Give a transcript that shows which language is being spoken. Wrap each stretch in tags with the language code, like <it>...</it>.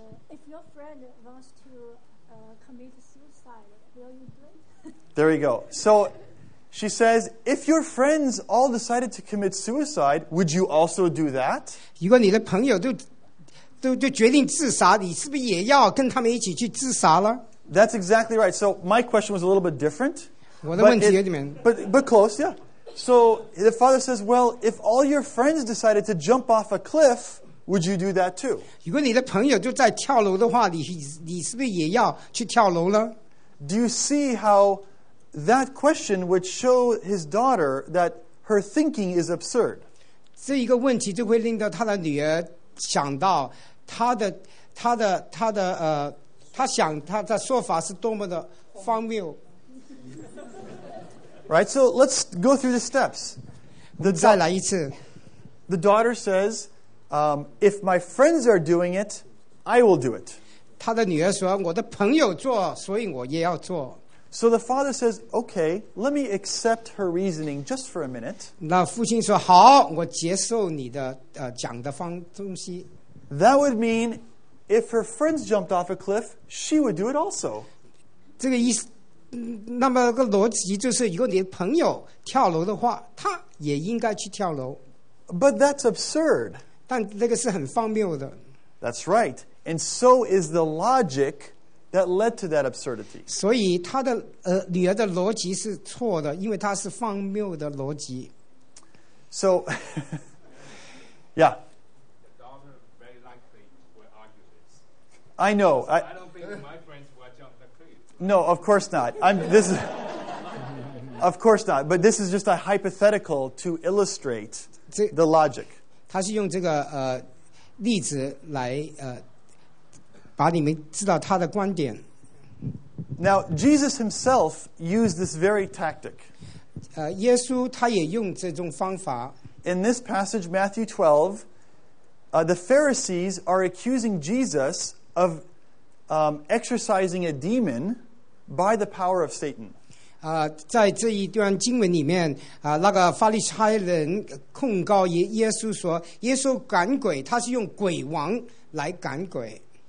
<en>If your friend wants to commit suicide, will you do it? There you go. So she says, if your friends all decided to commit suicide, would you also do that?</en> <zh>如果你的朋友都决定自杀，你是不是也要跟他们一起去自杀了</zh> <en>？That's exactly right. So my question was a little bit different.</en> <zh>我的问题有点</zh> <en>but close, yeah. So the father says, "Well, if all your friends decided to jump off a cliff, would you do that too?"</en> <zh>如果你的朋友都在跳楼的话，你是不是也要去跳楼了</zh> <en>？Do you see how that question would show his daughter that her thinking is absurd?</en> <zh>这一个问题就会令到他的女儿。想到他想他的说法是多么的荒谬。</zh> <en>Right, so let's go through the steps.</en> <zh>再来一次。</zh> <en>The daughter says, "If my friends are doing it, I will do it."</en> <zh>他的女儿说，我的朋友做，所以我也要做。</zh> <en>So the father says, "Okay, let me accept her reasoning just for a minute."</en> <zh>那父亲说好，我接受你的讲的方东西。</zh> <en>That would mean if her friends jumped off a cliff, she would do it also.</en> <zh>这个意思，那么个逻辑就是，如果你的朋友跳楼的话，他也应该去跳楼。</zh> <en>But that's absurd.</en> <zh>但那个是很荒谬的。</zh> <en>That's right, and so is the logic. That led to that absurdity.</en> <zh>所以他的女儿的逻辑是错的，因为她是荒谬的逻辑。</zh> <en>So, yeah. The daughter very likely will argue this. I know. I don't think my friends will jump the cliff. No, of course not. of course not. But this is just a hypothetical to illustrate the logic.</en> <zh>他是用这个例子来把你们知道他的观点。</zh> <en>Now Jesus himself used this very tactic.</en> <zh>耶稣他也用这种方法。</zh> <en>In this passage, Matthew 12, the Pharisees are accusing Jesus of exercising a demon by the power of Satan.</en> <zh>在这一段经文里面，那个法利赛人控告耶稣说，耶稣赶鬼，他是用鬼王来赶鬼。</zh>